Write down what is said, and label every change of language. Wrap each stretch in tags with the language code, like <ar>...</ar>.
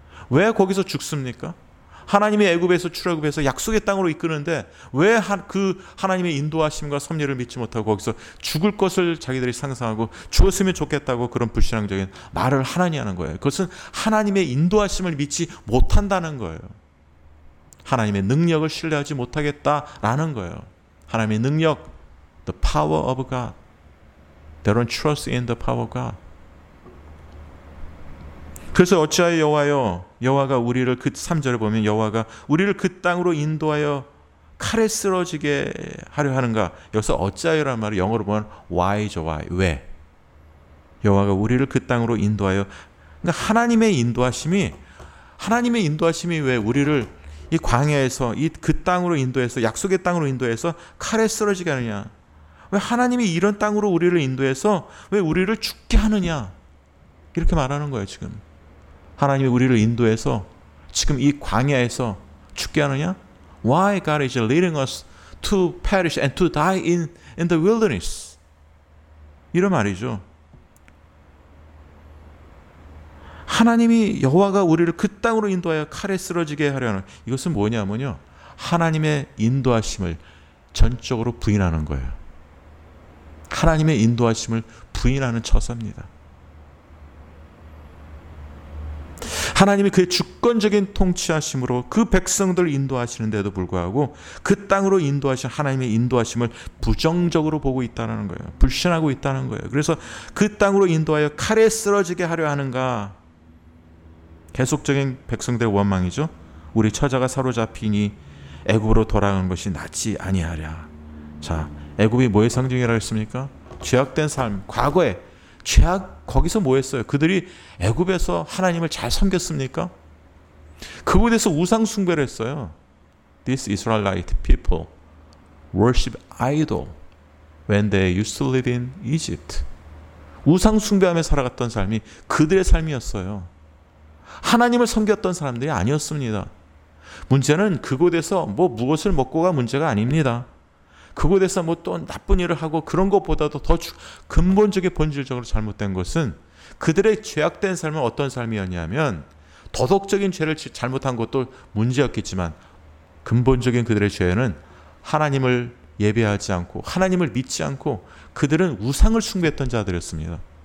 <ko>왜 거기서 죽습니까? 하나님이 애굽에서 출애굽해서 약속의 땅으로 이끄는데 왜 그 하나님의 인도하심과 섭리를 믿지 못하고 거기서 죽을 것을 자기들이 상상하고 죽었으면 좋겠다고 그런 불신앙적인 말을 하나니 하는 거예요. 그것은 하나님의 인도하심을 믿지 못한다는 거예요. 하나님의 능력을 신뢰하지 못하겠다라는 거예요. 하나님의 능력,</ko> <en>the power of God. They don't trust in the power of God.</en> <ko>그래서 어찌하여 여호와여, 여호와가 우리를, 그 3절을 보면 여호와가 우리를 그 땅으로 인도하여 칼에 쓰러지게 하려 하는가. 여기서 어찌하여라는 말을 영어로 보면 why죠. Why. 왜. 여호와가 우리를 그 땅으로 인도하여. 그러니까 하나님의 인도하심이 왜 우리를 이 광야에서, 이 그 땅으로 인도해서, 약속의 땅으로 인도해서 칼에 쓰러지게 하느냐. 왜 하나님이 이런 땅으로 우리를 인도해서 왜 우리를 죽게 하느냐. 이렇게 말하는 거예요 지금. 하나님이 우리를 인도해서 지금 이 광야에서 죽게 하느냐?</ko> <en>Why God is leading us to perish and to die in the wilderness?</en> <ko>이런 말이죠. 하나님이, 여호와가 우리를 그 땅으로 인도하여 칼에 쓰러지게 하려는, 이것은 뭐냐면요, 하나님의 인도하심을 전적으로 부인하는 거예요. 하나님의 인도하심을 부인하는 처사입니다. 하나님이 그의 주권적인 통치하심으로 그 백성들을 인도하시는데도 불구하고 그 땅으로 인도하신 하나님의 인도하심을 부정적으로 보고 있다는 거예요. 불신하고 있다는 거예요. 그래서 그 땅으로 인도하여 칼에 쓰러지게 하려 하는가. 계속적인 백성들의 원망이죠. 우리 처자가 사로잡히니 애굽으로 돌아간 것이 낫지 아니하랴. 자, 애굽이 뭐의 상징이라고 했습니까? 죄악된 삶, 과거에. 죄악, 거기서 뭐 했어요? 그들이 애굽에서 하나님을 잘 섬겼습니까? 그곳에서 우상 숭배를 했어요.</ko> <en>These Israelite people worship idol when they used to live in Egypt.</en> <ko>우상 숭배하며 살아갔던 삶이 그들의 삶이었어요. 하나님을 섬겼던 사람들이 아니었습니다. 문제는 그곳에서 뭐 무엇을 먹고가 문제가 아닙니다. 그곳에서 뭐 또 나쁜 일을 하고 그런 것보다도 더 근본적인 본질적으로 잘못된 것은 그들의 죄악된 삶은 어떤 삶이었냐면 도덕적인 죄를 잘못한 것도 문제였겠지만 근본적인 그들의 죄는 하나님을 예배하지 않고 하나님을 믿지 않고 그들은 우상을 숭배했던 자들이었습니다.</ko>